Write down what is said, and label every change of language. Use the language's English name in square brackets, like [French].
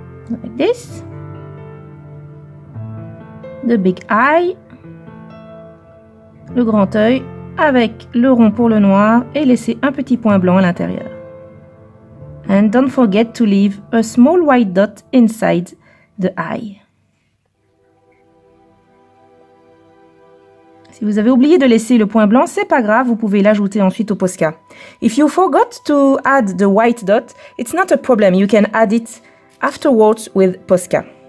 [English] Like this. The big eye. [French] Le grand œil avec le rond pour le noir et laisser un petit point blanc à l'intérieur. [English] And don't forget to leave a small white dot inside the eye. [French] Si vous avez oublié de laisser le point blanc, c'est pas grave, vous pouvez l'ajouter ensuite au Posca. [English] If you forgot to add the white dot, it's not a problem, you can add it afterwards with Posca.